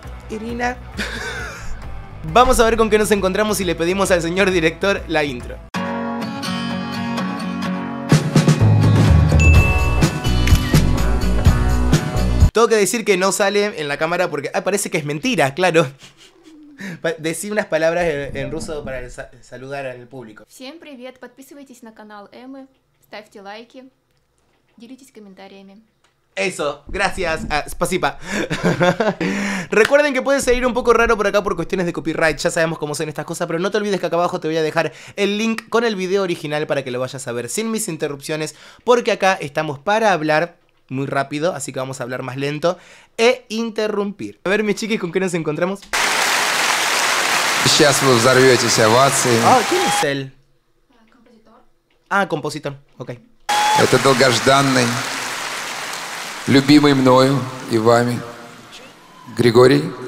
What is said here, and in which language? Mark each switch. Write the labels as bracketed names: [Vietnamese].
[Spanish] Irina... Vamos a ver con qué nos encontramos y le pedimos al señor director la intro. Tengo que decir que no sale en la cámara porque... ¡Ah! Parece que es mentira, claro. Decí unas palabras en ruso para saludar al público. [Russian] Всем привет! Подписывайтесь на канал Эммы, ставьте лайки, делитесь комментариями. [Spanish] Eso, gracias, Spasipa. Recuerden que puede salir un poco raro por acá por cuestiones de copyright, ya sabemos cómo son estas cosas, pero no te olvides que acá abajo te voy a dejar el link con el video original para que lo vayas a ver sin mis interrupciones, porque acá estamos para hablar muy rápido, así que vamos a hablar más lento e interrumpir. A ver, mis chiquis, ¿con qué nos encontramos? [Russian] Сейчас вы взорветесь овации. [Spanish] ¿Quién es él? Compositor. Ok. [Russian] Это долгожданный... любимый мною и вами, Григорий.